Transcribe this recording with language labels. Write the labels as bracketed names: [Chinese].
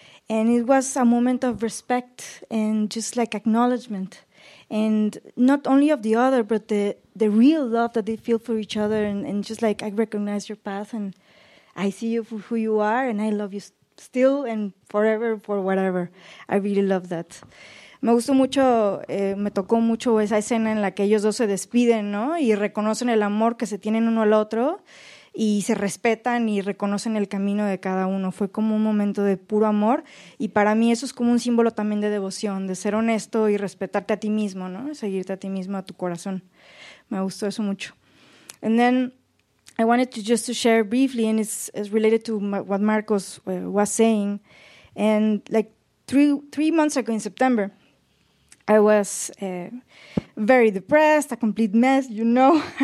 [English] And it was a moment of respect and just like acknowledgement. And not only of the other, but the real love that they feel for each other. And just like, I recognize your path and I see you for who you are, and I love you still and forever for whatever. I really love that. [Spanish] me gustó mucho, me tocó mucho esa escena en la que ellos dos se despiden, ¿no? Y reconocen el amor que se tienen uno al otro y se respetan y reconocen el camino de cada uno. Fue como un momento de puro amor y para mí eso es como un símbolo también de devoción, de ser honesto y respetarte a ti mismo, ¿no? Seguirte a ti mismo, a tu corazón. Me gustó eso mucho. [English] And then I wanted to just to share briefly, and it's related to what Marcos was saying. And like three months ago in September, I was very depressed, a complete mess, you know.